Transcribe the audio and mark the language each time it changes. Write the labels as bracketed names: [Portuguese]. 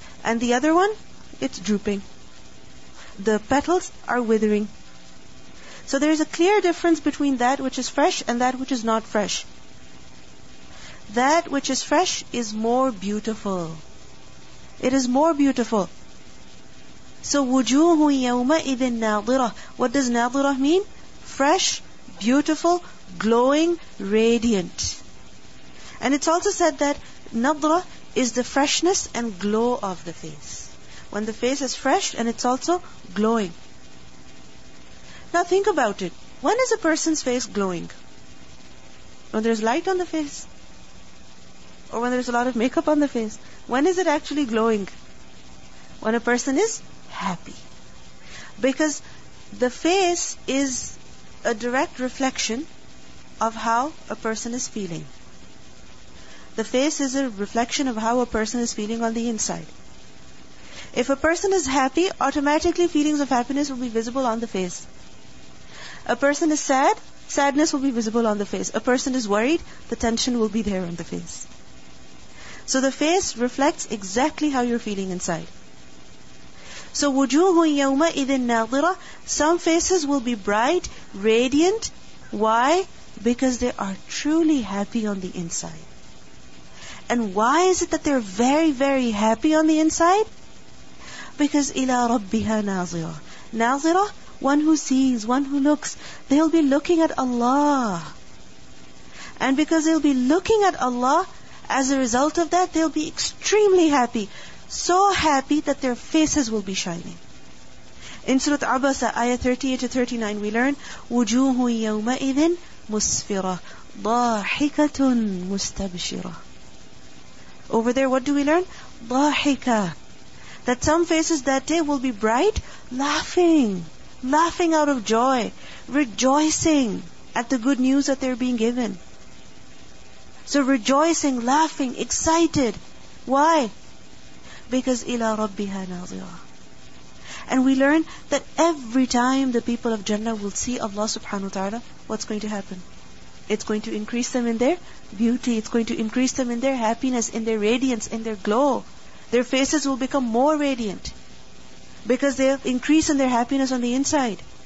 [English] And the other one, it's drooping. The petals are withering. So there is a clear difference between that which is fresh and that which is not fresh. That which is fresh is more beautiful. It is more beautiful. [Arabic] So وُجُوهٌ يَوْمَئِذٍ نَاضِرَةٌ. [English] What does نَاضِرَةٌ mean? Fresh, beautiful, glowing, radiant. And it's also said that نَضْرَة is the freshness and glow of the face. When the face is fresh and it's also glowing. Now think about it. When is a person's face glowing? When there's light on the face? Or when there's a lot of makeup on the face? When is it actually glowing? When a person is happy. Because the face is a direct reflection of how a person is feeling. The face is a reflection of how a person is feeling on the inside. If a person is happy, automatically feelings of happiness will be visible on the face. A person is sad, sadness will be visible on the face. A person is worried, the tension will be there on the face. So the face reflects exactly how you're feeling inside. [Arabic] So وُجُوهٌ يَوْمَئِذٍ نَاضِرَةٌ. [English] Some faces will be bright, radiant. Why? Because they are truly happy on the inside. And why is it that they're very, very happy on the inside? [Arabic] Because إِلَى رَبِّهَا نَاظِرَةٌ. [English] نَاظِرَةٌ, one who sees, one who looks. They'll be looking at Allah. And because they'll be looking at Allah, as a result of that, they'll be extremely happy. So happy that their faces will be shining. In Surah Abasa, ayah 38-39, we learn, [Arabic] وُجُوهٌ يَوْمَئِذٍ مُسْفِرَةٌ ضَاحِكَةٌ مُسْتَبْشِرَةٌ. [English] Over there, what do we learn? [Arabic] ضَاحِكَةٌ. [English] That some faces that day will be bright, laughing. Laughing out of joy. Rejoicing at the good news that they're being given. So rejoicing, laughing, excited. Why? [Arabic] Because إِلَى رَبِّهَا نَاظِرَةٌ. [English] And we learn that every time the people of Jannah will see Allah subhanahu wa ta'ala, what's going to happen? It's going to increase them in their beauty. It's going to increase them in their happiness, in their radiance, in their glow. Their faces will become more radiant. Because they'll increase in their happiness on the inside.